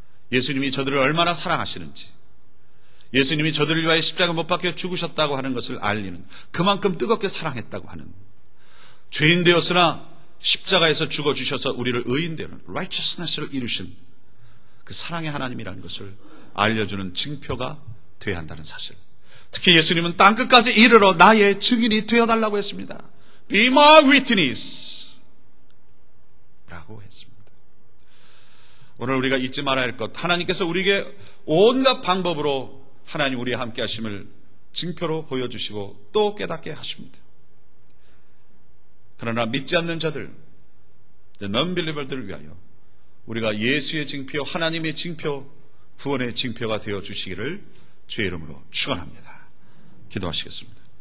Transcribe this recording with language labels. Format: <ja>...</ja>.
<ko>예수님이 저들을 얼마나 사랑하시는지, 예수님이 저들을 위하여 십자가 못 박혀 죽으셨다고 하는 것을 알리는, 그만큼 뜨겁게 사랑했다고 하는, 죄인 되었으나 십자가에서 죽어주셔서 우리를 의인되는 righteousness를 이루신 그 사랑의 하나님이라는 것을 알려주는 증표가 되어야 한다는 사실. 특히 예수님은 땅끝까지 이르러 나의 증인이 되어달라고 했습니다.</ko> <en>Be my witness</en> <ko>라고 했습니다. 오늘 우리가 잊지 말아야 할 것, 하나님께서 우리에게 온갖 방법으로 하나님 우리와 함께 하심을 증표로 보여주시고 또 깨닫게 하십니다. 그러나 믿지 않는 자들, non-believer들을 위하여 우리가 예수의 증표, 하나님의 증표, 구원의 증표가 되어 주시기를 주의 이름으로 축원합니다. 기도하시겠습니다.</ko>